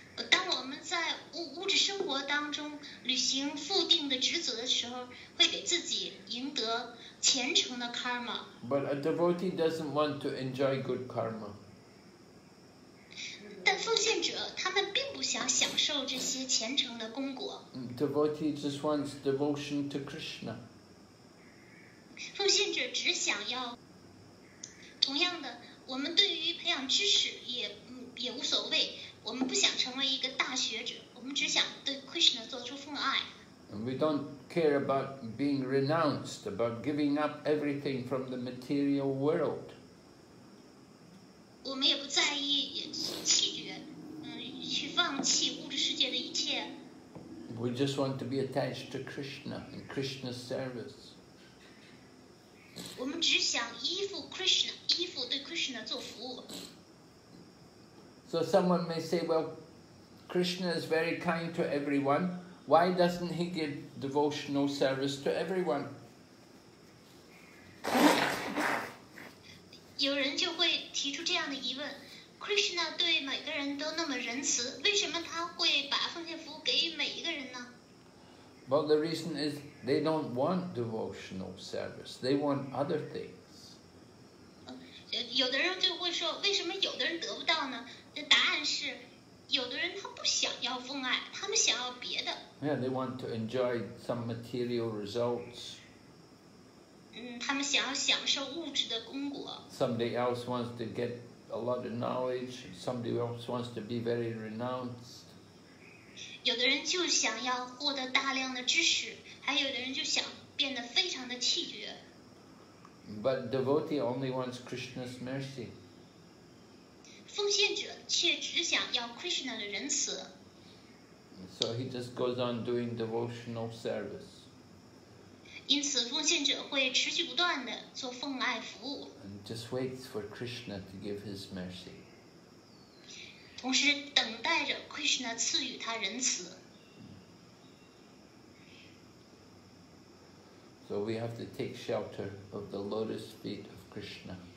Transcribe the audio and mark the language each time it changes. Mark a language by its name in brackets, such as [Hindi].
[Chinese] 当我们在物质生活当中履行固定的职责的时候，会给自己赢得虔诚的 karma. [English] But a devotee doesn't want to enjoy good karma. [Chinese] 但奉献者他们并不想享受这些虔诚的功果。 [English] Devotee just wants devotion to Krishna. [Chinese] 奉献者只想要。同样的，我们对于培养知识也无所谓。我们不想成为一个大学者，我们只想对 Krishna 做出奉爱。 [English] And we don't care about being renounced, about giving up everything from the material world. [Chinese] 我们也不在意弃绝，去放弃物质世界的一切。 [English] We just want to be attached to Krishna and Krishna's service. [Chinese] 我们只想依附 Krishna， 依附对 Krishna 做服务。 [English] So someone may say, well, Krishna is very kind to everyone. Why doesn't he give devotional service to everyone? [Chinese] 有人就会提出这样的疑问： Krishna 对每个人都那么仁慈，为什么他会把奉献服务给每一个人呢？ [English] Well, the reason is they don't want devotional service. They want other things. [Chinese] 有的人就会说，为什么有的人得不到呢？答案是，有的人他不想要奉爱，他们想要别的。 [English] Yeah, they want to enjoy some material results. [Chinese] 他们想要享受物质的功果。 [English] Somebody else wants to get a lot of knowledge. Somebody else wants to be very renounced. [Chinese] 有的人就想要获得大量的知识，还有的人就想变得非常的气绝。 [English] But devotee only wants Krishna's mercy. [Chinese] 奉献者却只想要 Krishna 的仁慈。 [English] So he just goes on doing devotional service. [Chinese] 因此奉献者会持续不断地做奉爱服务。 [English] And just waits for Krishna to give his mercy. [Chinese] 同时等待着 Krishna 赐予他仁慈。 [English] So we have to take shelter of the lotus feet of Krishna.